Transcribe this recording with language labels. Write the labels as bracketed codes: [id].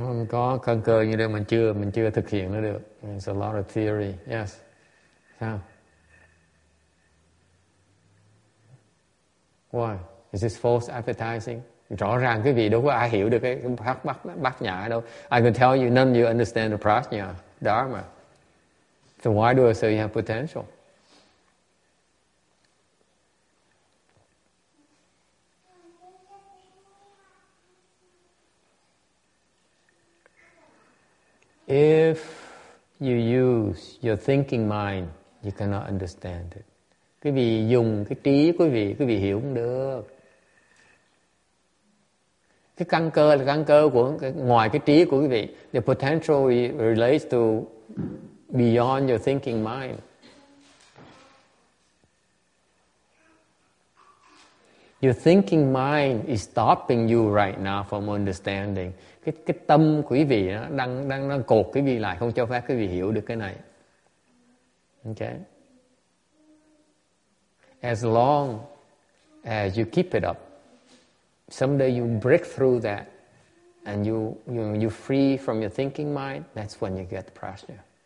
[vi] Có căn cơ như đây mình chưa thực hiện nó được. [en] It's a lot of theory. Yes. [vi] Sao? [en] Why? Is this false advertising? [vi] Rõ ràng quý vị đâu có ai hiểu được cái pháp bát nhã đâu. [en] I can tell you, none of you understand the prajna, dharma. So why do I say you have potential? If you use your thinking mind, you cannot understand it. [vi] Quý vị dùng cái trí quý vị hiểu không được. Cái căn cơ là căn cơ của ngoài cái trí của quý vị. [en] The potential relates to beyond your thinking mind. Your thinking mind is stopping you right now from understanding. [vi] Cái tâm quý vị đó, đang đang cột quý vị lại, không cho phép quý vị hiểu được cái này. [en] Okay. As long as you keep it up, someday you break through that and you free from your thinking mind, that's when you get the prajna.